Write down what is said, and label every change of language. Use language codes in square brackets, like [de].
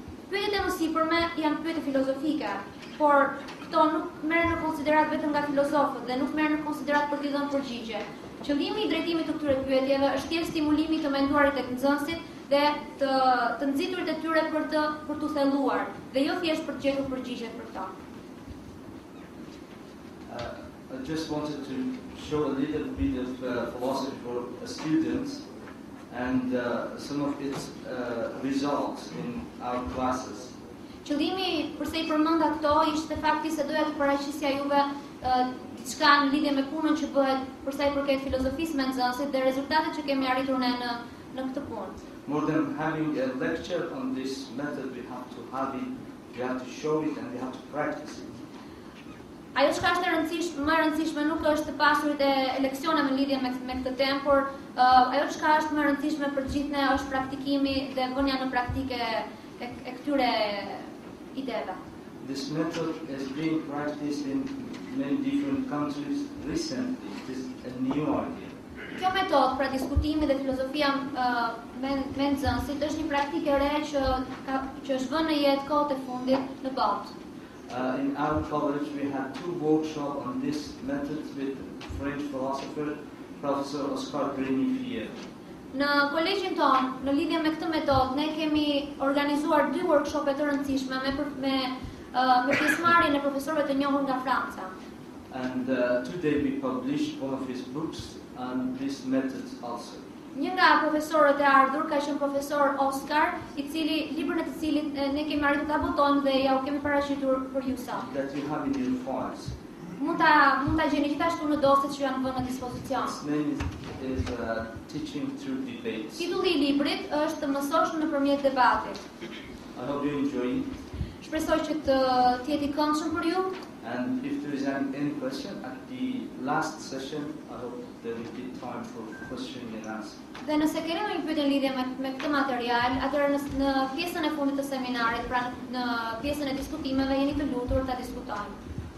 [sq] Pyetjet e mësipërme janë pyetje filozofike, por këto nuk merren në konsiderat vetëm nga filozofët dhe nuk merren në konsiderat për të dhënë përgjigje. Qëllimi i drejtimit të këtyre pyetjeve është thjesht stimulimi të menduarit tek nxënësit dhe të nxiturit e tyre për të thelluar dhe jo thjesht për të gjetur përgjigjet për to. [en] I just wanted to show a little bit of philosophy for students and some of its results in our classes. [sq] Qëllimi pse i përmenda këto ishte fakti se doja të paraqisja juve diçka në lidhje me punën që bëhet për sa i përket filozofisë me nxënësit dhe rezultatet që kemi arritur ne në këtë punë. [en] More than having a lecture on this method, we have to have it, we have to show it and we have to practice it. [sq] Ajo që është më rëndësishme nuk është të pasurit e leksione në lidhje me këtë temë, por ajo që është më rëndësishme për të gjithë ne është praktikimi dhe vënja në praktikë e këtyre ideve. [en] This method has been practiced in many different countries recently. It is a new idea. [sq] Kjo metodë pra diskutimi dhe filozofia me nxënësit është një praktikë e re që është vënë në jetë kohët e fundit në botë. [en] In our college we had two workshops on this method with French philosopher Professor Oscar Grenier. [sq] Në kolegjin tonë, në lidhje me këtë metodë, ne kemi organizuar dy workshope të rëndësishme me pjesëmarrjen e profesorëve të njohur nga Franca. [en] And today we published one of his books on this method also. [sq] Një nga profesorët e ardhur ka qenë profesor Oscar, i cili librin e të cilit ne kemi arritur ta votojmë dhe ja u kemi paraqitur për ju sa. [en] That you have in your files. [sq] Mund ta gjeni gjithashtu në dosjet që janë vënë në dispozicion. [en] Its name is Teaching Through Debates. [sq] Titulli i librit është Mësosh nëpërmjet debatit. [en] I hope you enjoy. [sq] Shpresoj që të jetë i këndshëm për ju. [en] And if there is any question at the last session, I hope there will be time for question and answer. [sq] Dhe nëse keni ndonjë pyetje në lidhje me këtë material, atëherë në pjesën e fundit të seminarit, pra në pjesën e diskutimeve, jeni të lutur ta diskutojmë.